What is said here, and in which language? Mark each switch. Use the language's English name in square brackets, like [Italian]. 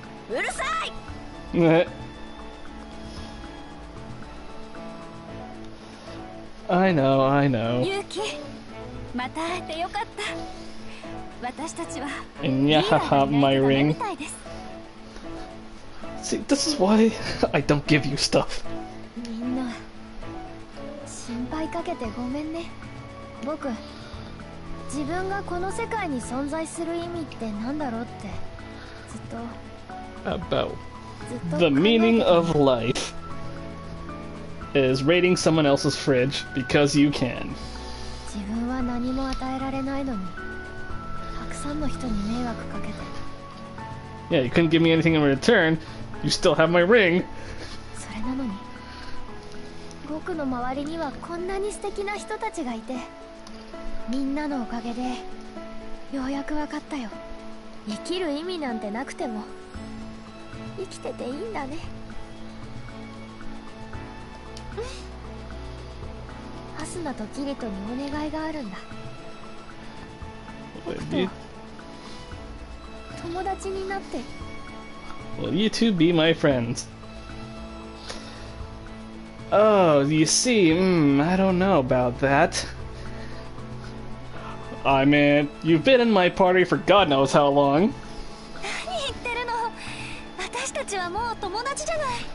[Japanese] うるさい。ね。 [English] I know, I know。 [Japanese] 勇気。また会えてよかった。私たちはリーダーがいないみたいです。 [English] See, this is why I don't give you stuff. [Japanese] みんな心配かけてごめんね。僕、自分がこの世界に存在する意味ってなんだろうってずっと。 [English] About the meaning of life is raiding someone else's fridge because you can. [Japanese] 自分は何も与えられないのに、たくさんの人に迷惑かけて。 [English] Yeah, you couldn't give me anything in return. You still have my ring. [Japanese] それなのに、僕の周りにはこんなに素敵な人たちがいて、みんなのおかげでようやくわかったよ。生きる意味なんてなくても、生きてていいんだね。アスナとキリトにお願いがあるんだ。僕と友達になって。 [English] Will you two be my friends? Oh, you see, I don't know about that. I mean, you've been in my party for God knows how long. [Japanese] 何言ってるの？私たちはもう友達じゃない。